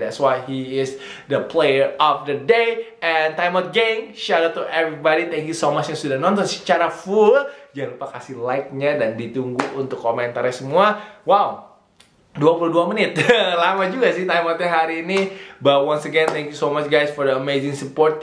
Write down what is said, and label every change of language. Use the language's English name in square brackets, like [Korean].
[English] That's why he is the player of the day. And timeout gang, shout out to everybody. Thank you so much [Indonesian] yang sudah nonton secara full. Jangan lupa kasih like-nya dan ditunggu untuk komentarnya semua. Wow, 22 menit. Lama juga sih timeout-nya hari ini. [English] But once again, thank you so much guys for the amazing support.